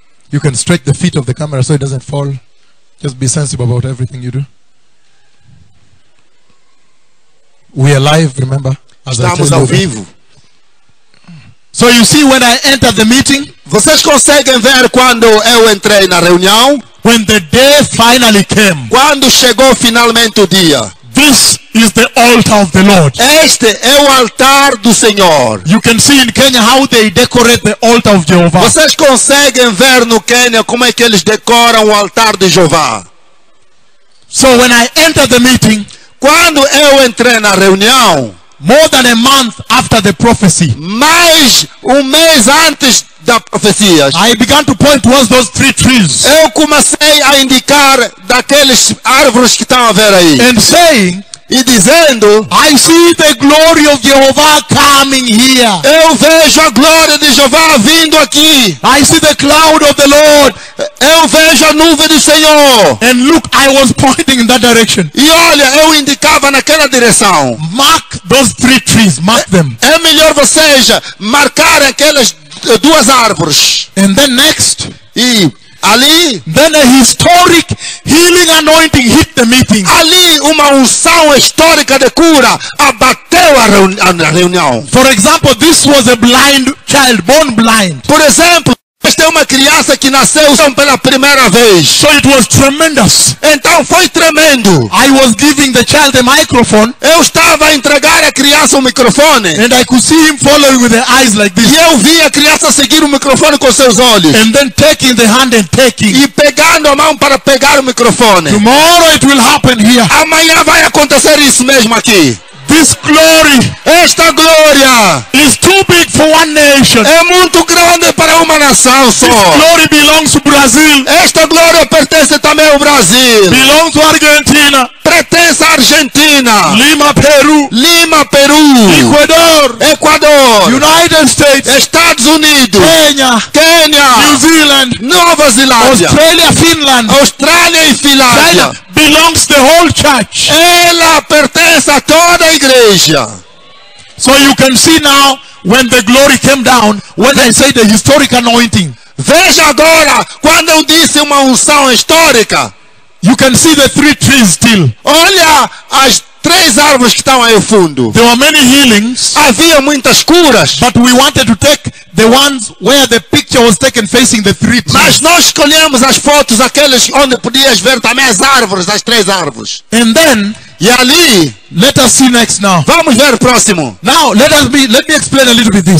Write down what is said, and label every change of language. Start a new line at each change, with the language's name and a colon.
English: You can stretch the feet of the camera so it doesn't fall. Just be sensible about everything you do. We are live, remember?
Portuguese: Estamos ao vivo.
English: So you see when I enter the meeting?
Portuguese: Vocês conseguem ver quando eu entrei na reunião?
English: When the day finally came.
Portuguese: Quando chegou finalmente o dia.
English: This is the altar of the Lord.
Portuguese: Este é o altar do Senhor.
English: You can see in Kenya how they decorate the altar of Jehovah.
Portuguese: Vocês conseguem ver no Quênia como é que eles decoram o altar de Jeová?
English: So when I enter the meeting,
Portuguese: quando eu entrei na reunião,
English: more than a month after the prophecy,
Portuguese: mais mês antes da profecia,
English: I began to point towards those three trees.
Portuguese: Eu comecei a indicar daqueles árvores que estão a ver aí.
English: And saying,
Portuguese: e dizendo,
English: I see the glory of Jehovah coming here.
Portuguese: Eu vejo a glória de Jeová vindo aqui.
English: I see the cloud of the Lord.
Portuguese: Eu vejo a nuvem do Senhor.
English: And look, I was pointing in that direction.
Portuguese: E olha, eu indicava naquela direção.
English: Mark those three trees, mark them.
Portuguese: É melhor você marcar aquelas duas árvores.
English: And then next,
Portuguese: e ali,
English: then a historic healing anointing hit the meeting.
Portuguese: Ali, uma unção histórica de cura abateu a reunião.
English: For example, this was a blind child, born blind.
Portuguese: Por exemplo, esta é uma criança que nasceu pela primeira vez.
English: So it was tremendous.
Portuguese: Então foi tremendo.
English: I was giving the child a microphone.
Portuguese: Eu estava a entregar a criança o microfone.
English: And I could see him following with the eyes like this.
Portuguese: E eu vi a criança seguir o microfone com seus olhos.
English: And then taking the hand and taking.
Portuguese: E pegando a mão para pegar o microfone.
English: Tomorrow it will happen here.
Portuguese: Amanhã vai acontecer isso mesmo aqui.
English: This glory,
Portuguese: esta glória,
English: is too big for one nation.
Portuguese: É muito grande para uma nação só.
English: This glory belongs to Brazil.
Portuguese: Esta glória pertence também ao Brasil.
English: Belongs to Argentina.
Portuguese: Pertence à Argentina.
English: Lima, Peru.
Portuguese: Lima, Peru.
English: Ecuador.
Portuguese: Ecuador.
English: United States.
Portuguese: Estados Unidos. Quênia. Quênia.
English: New Zealand.
Portuguese: Nova Zelândia.
English: Austrália, Finland.
Portuguese: Austrália e Finlândia.
English: China belongs to the whole church.
Portuguese: Ela pertence a toda a igreja.
English: So you can see now when the glory came down, when I say the historic anointing.
Portuguese: Veja agora quando eu disse uma unção histórica.
English: You can see the three trees still.
Portuguese: Olha as três árvores que estão aí ao fundo.
English: There were many healings.
Portuguese: Havia muitas curas.
English: But we wanted to take the ones where the picture was taken facing the three trees.
Portuguese: Mas nós escolhemos as fotos aquelas onde podias ver também as árvores, as três árvores.
English: And then,
Portuguese: e ali,
English: let us see next now.
Portuguese: Vamos ver o próximo.
English: Now, let me explain a little bit this.